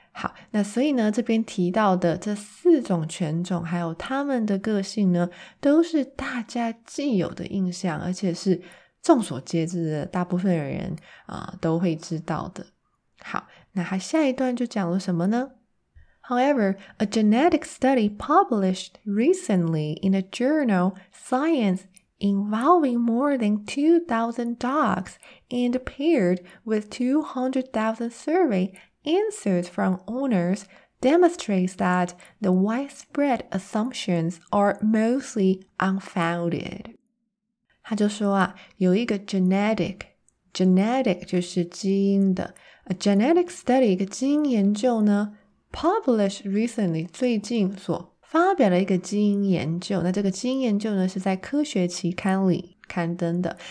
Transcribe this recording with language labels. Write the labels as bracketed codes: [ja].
[zh] 好，那所以呢，这边提到的这四种犬种还有他们的个性呢，都是大家既有的印象，而且是众所皆知的，大部分的人都会知道的。好，那还下一段就讲了什么呢？ [en] However, a genetic study published recently in a journal Science involving more than 2,000 dogs and paired with 200,000 survey answers from owners demonstrates that the widespread assumptions are mostly unfounded. [zh] 他就说啊，有一个 genetic 就是基因的 [en] a genetic study [zh] 一个基因研究呢 [en] published recently [zh] 最近所发表了一个基因研究，那这个基因研究呢是在科学期刊里刊登的。